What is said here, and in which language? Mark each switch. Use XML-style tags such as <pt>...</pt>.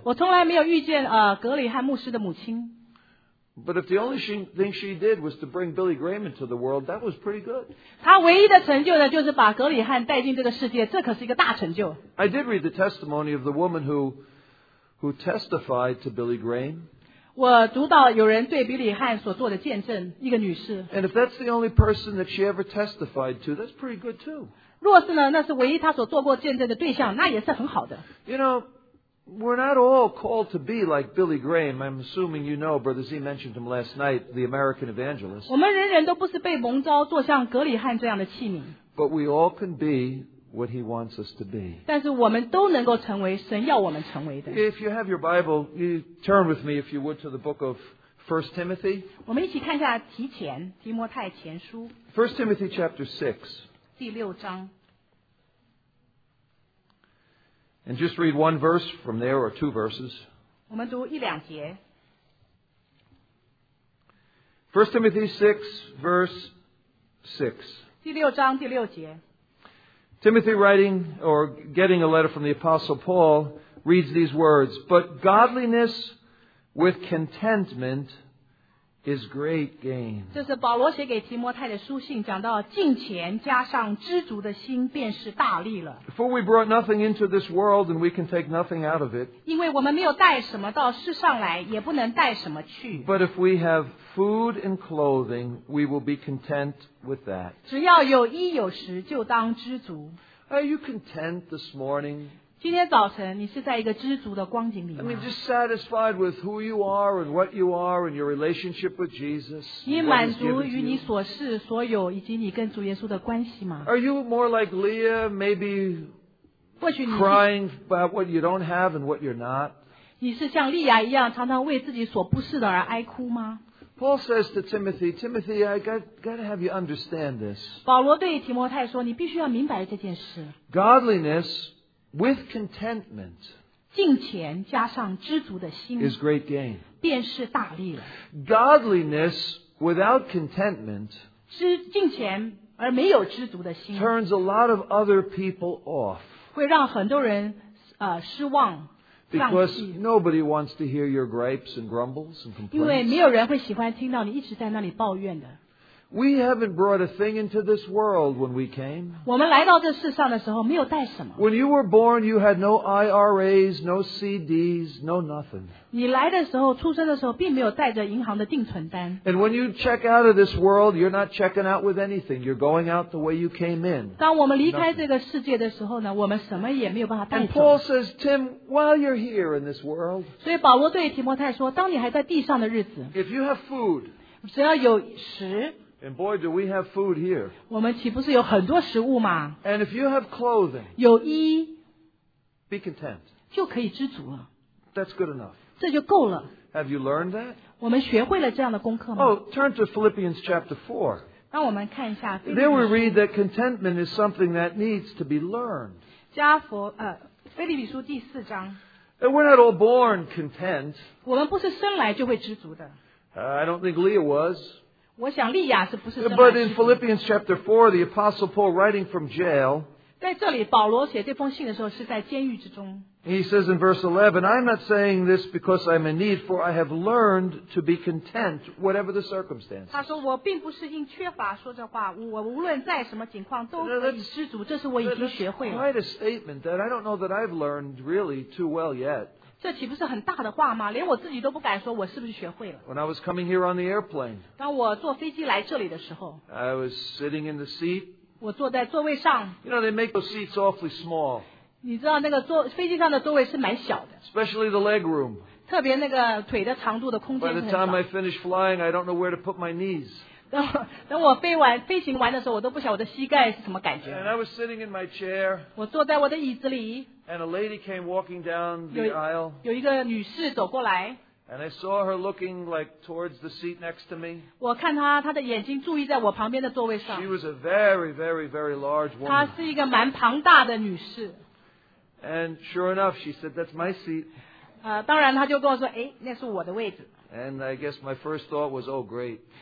<zh>我从来没有遇见, 格里汉牧师的母亲。</zh> <en>But if the only thing she did was to bring Billy Graham into the world, that was pretty good.</en> <zh>她唯一的成就呢，就是把格里汉带进这个世界，这可是一个大成就。</zh> <en>I did read the testimony of the woman who testified to Billy Graham.</en> <zh>我读到有人对比利汉所做的见证，一个女士。</zh> <en>And if that's the only person that she ever testified to, that's pretty good too.</en> <zh>若是呢，那是唯一她所做过见证的对象，那也是很好的。</zh> <en>You know, we're not all called to be like Billy Graham. I'm assuming you know, Brother Z mentioned him last night, the American evangelist.</en> <zh>我们人人都不是被蒙召做像格里汉这样的器皿。</zh> <en>But we all can be what he wants us to be.</en> <zh>但是我们都能够成为神要我们成为的。</zh> <en>If you have your Bible, you turn with me, if you would, to the book of 1 Timothy.</en> <zh>我们一起看一下提摩太前书。</zh> <en>1 Timothy chapter 6.</en> <zh>第六章。</zh> <en>And just read one verse from there, or two verses.</en> <zh>我们读一两节。</zh> <en>1 Timothy 6, verse 6.</en> <zh>第六章第六节。</zh> <en>Timothy writing, or getting a letter from the Apostle Paul, reads these words, But godliness with contentment is great gain.</en> <zh>这是保罗写给提摩太的书信，讲到敬虔加上知足的心，便是大利了。</zh> <en>For we brought nothing into this world, and we can take nothing out of it.</en> <zh>因为我们没有带什么到世上来，也不能带什么去。</zh> <en>But if we have food and clothing, we will be content with that.</en> <zh>只要有衣有食，就当知足。</zh> <en>Are you content this morning?</en> <zh>今天早晨，你是在一个知足的光景里吗？</zh> <en>I mean, just satisfied with who you are and what you are and your relationship with Jesus.</en> <zh>你满足于你所是所有以及你跟主耶稣的关系吗？</zh> <en>Are you more like Leah, maybe crying about what you don't have and what you're not?</en> <zh>你是像利亚一样常常为自己所不是的而哀哭吗？</zh> <en>Paul says to Timothy, Timothy, I got to have you understand this.</en> <zh>保罗对提摩太说，你必须要明白这件事。</zh> <en>Godliness with contentment</en> <zh>敬虔加上知足的心</zh> <en>is great gain.</en> <zh>便是大利了。</zh> <en>Godliness without contentment</en> <zh>敬虔而没有知足的心</zh> <en>turns a lot of other people off.</en> <zh>会让很多人 失望。</zh> <en>Because nobody wants to hear your gripes and grumbles and complaints.</en> <zh>因为没有人会喜欢听到你一直在那里抱怨的。</zh> <en>We haven't brought a thing into this world when we came.</en> <zh>我们来到这世上的时候没有带什么。</zh> <en>When you were born, you had no IRAs, no CDs, no nothing.</en> <zh>你来的时候，出生的时候，并没有带着银行的定存单。</zh> <en>And when you check out of this world, you're not checking out with anything. You're going out the way you came in.</en> <zh>当我们离开这个世界的时候呢，我们什么也没有办法带走。</zh> <en>And Paul says, Tim, while you're here in this world,</en> <zh>所以保罗对提摩太说，当你还在地上的日子，</zh> <en>if you have food,</en> <zh>只要有食。</zh> <en>And boy, do we have food here.</en> <zh>我们岂不是有很多食物吗?</zh> <en>And if you have clothing,</en> <zh>有衣,</zh> <en>be content.</en> <zh>就可以知足了。</zh> <en>That's good enough.</en> <zh>这就够了。</zh> <en>Have you learned that?</en> <zh>我们学会了这样的功课吗?</zh> <en>Oh, turn to Philippians chapter 4.</en> <zh>让我们看一下,</zh> <en>there we read that contentment is something that needs to be learned.</en> <zh>加佛, 菲利比书第四章。</zh> <en>And we're not all born content.</en> <zh>我们不是生来就会知足的。</zh> <en>I don't think Leah was.</en> <zh>我想利亚是不是这么来吃的?</zh> <en>But in Philippians chapter 4, the Apostle Paul writing from jail,</en> <zh>在这里保罗写这封信的时候是在监狱之中。</zh> <en>He says in verse 11, I'm not saying this because I'm in need, for I have learned to be content, whatever the circumstances.</en> <zh>他说我并不是因缺乏说这话，我无论在什么情况都可以知足，这是我已经学会了。</zh> <en>Quite a statement that I don't know that I've learned really too well yet.</en> <zh>这岂不是很大的话吗? 连我自己都不敢说我是不是学会了。</zh> <en>When I was coming here on the airplane,</en> <zh>当我坐飞机来这里的时候,</zh> <en>I was sitting in the seat.</en> <zh>我坐在座位上。</zh> <en>You know, they make those seats awfully small.</en> <zh>你知道那个座飞机上的座位是蛮小的。</zh> <en>Especially the leg room.</en> <zh>特别那个腿的长度的空间很少。</zh> <en>By the time I finish flying, I don't know where to put my knees.</en> <zh>等我飞行完的时候，我都不晓得我的膝盖是什么感觉。</zh> <en>And I was sitting in my chair.</en> <zh>我坐在我的椅子里。</zh> <en>And a lady came walking down the aisle.</en> <zh>有一个女士走过来。</zh> <en>And I saw her looking like towards the seat next to me.</en> <zh>我看她，她的眼睛注意在我旁边的座位上。</zh> <en>She was a very, very, very large woman.</en> <zh>她是一个蛮庞大的女士。</zh> <en>And sure enough, she said, "That's my seat."</en> <zh>当然她就跟我说，哎，那是我的位置。</zh> <en>And I guess my first thought was, "Oh, great."</en>